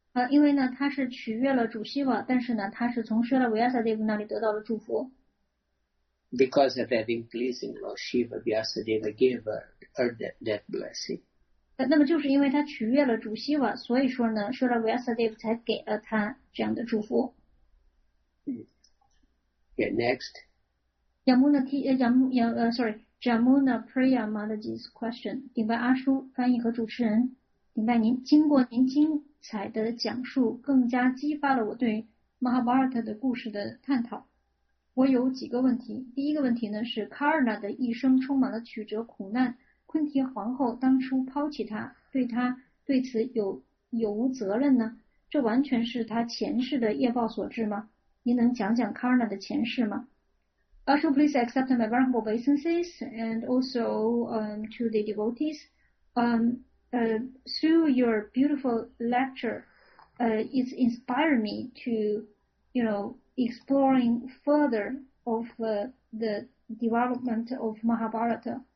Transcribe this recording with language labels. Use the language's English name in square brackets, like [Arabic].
[Chinese] 因为呢，他是取悦了主希瓦，但是呢，他是从薛拉维亚萨蒂夫那里得到了祝福。 [English] Because of having pleasing Lord Shiva, Vyasadeva gave her that blessing. [Chinese] 那么就是因为他取悦了主希瓦，所以说呢，薛拉维亚萨蒂夫才给了他这样的祝福。 [English] Yeah, next. Yamuna Priya Madhaji's question. [Chinese] 顶拜阿叔，翻译和主持人，顶拜您，经过您经彩的讲述，更加激发了我对 Mahabharata 的故事的探讨。我有几个问题。第一个问题呢，是 Karna 的一生充满了曲折苦难，昆提皇后当初抛弃他，对他对此有无责任呢？这完全是他前世的业报所致吗？您能讲讲 Karna 的前世吗？ [English] Also, please accept my vulnerable obeisances and also to the devotees. Through your beautiful lecture, it's inspired me to, you know, exploring further of the development of Mahabharata.